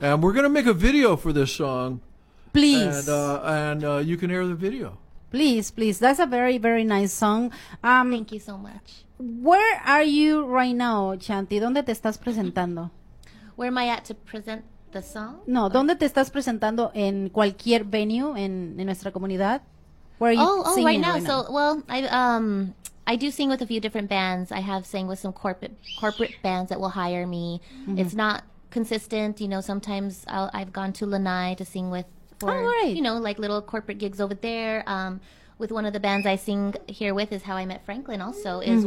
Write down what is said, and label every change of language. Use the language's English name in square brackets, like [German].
[English] And we're going to make a video for this song. Please. And you can air the video. Please, please. That's a very, very nice song. Thank you so much. Where are you right now, Chanti? [Spanish] ¿Dónde te estás presentando? [English] Where am I at to present the song? [Spanish] No, ¿dónde te estás presentando en cualquier venue en nuestra comunidad? [English] Where are you singing right now. So, well, I do sing with a few different bands. I have sang with some corporate bands that will hire me. Mm-hmm. It's not consistent, you know. Sometimes I've gone to Lanai to sing with you know, like little corporate gigs over there. With one of the bands I sing here with is how I met Franklin. Also, is mm-hmm.